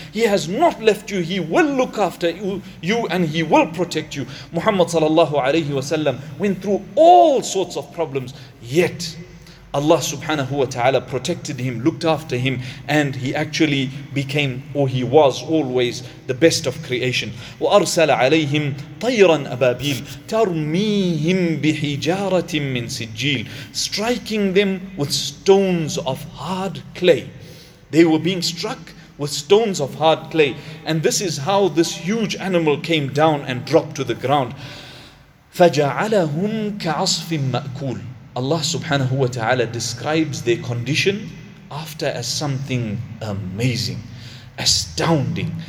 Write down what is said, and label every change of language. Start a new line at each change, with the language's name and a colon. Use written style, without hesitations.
English: He has not left you. He will look after you and He will protect you. Muhammad sallallahu alayhi wa sallam went through all sorts of problems, yet Allah subhanahu wa ta'ala protected him, looked after him, and he actually became, or he was always, the best of creation.
Arabic: وَأَرْسَلَ عَلَيْهِمْ طَيْرًا أَبَابِيلٍ تَرْمِيهِمْ بِحِجَارَةٍ مِّنْ سِجِّيلٍ,
English: striking them with stones of hard clay. They were being struck with stones of hard clay. And this is how this huge animal came down and dropped to the ground.
Arabic: فَجَعَلَهُمْ كَعَصْفٍ مَأْكُولٍ.
English: Allah subhanahu wa ta'ala describes their condition after as something amazing, astounding.